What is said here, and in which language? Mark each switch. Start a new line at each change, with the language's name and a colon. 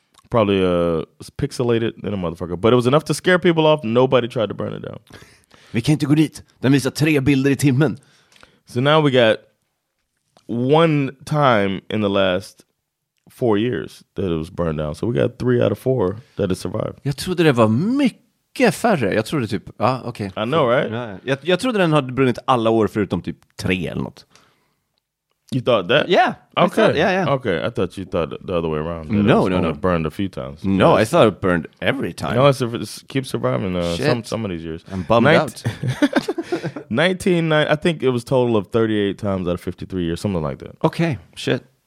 English: probably pixelated in a motherfucker, but it was enough to scare people off. Nobody tried to burn it down.
Swedish: Vi kan inte gå dit. Den visar tre bilder i timmen.
English: So now we got one time in the last 4 years that it was burned down. So we got 3 out of 4 that it survived.
Swedish: Jag trodde det var mycket färre. Jag trodde typ, ja, ah, okej.
English: Okay. I know, right?
Swedish: Ja, jag trodde den hade brunnit alla år förutom typ 3 eller något.
English: You thought that? Yeah. Okay. Yeah. Okay, I thought you thought the other way around. No. It burned a few times. No, yes. I thought it burned every time. You know, it keeps surviving some of these years. I'm bummed out. 1999, I think it was total of 38 times out of 53 years, something like that. Okay, shit.